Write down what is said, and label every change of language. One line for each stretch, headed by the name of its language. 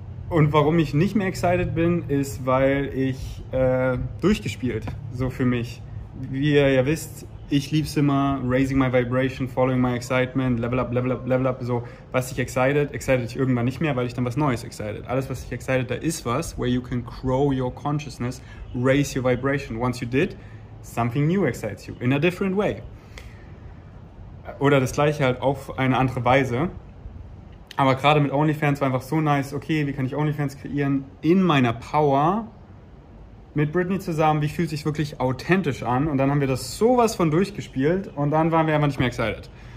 German: Und warum ich nicht mehr excited bin, ist, weil ich durchgespielt, so für mich. Wie ihr ja wisst, ich lieb's immer,
English: raising my vibration, following my excitement, level up,
German: level up, level up, so. Was dich excited dich irgendwann nicht mehr, weil ich dann was Neues excited. Alles, was dich excited, da ist was,
English: where you can grow your consciousness, raise your vibration. Once you did, something new excites you, in a different way.
German: Oder das Gleiche halt auf eine andere Weise. Aber gerade mit OnlyFans war einfach so nice, okay, wie kann ich OnlyFans kreieren in meiner Power mit Britney zusammen, wie fühlt sich wirklich authentisch an? Und dann haben wir das sowas von durchgespielt und dann waren wir einfach nicht mehr excited.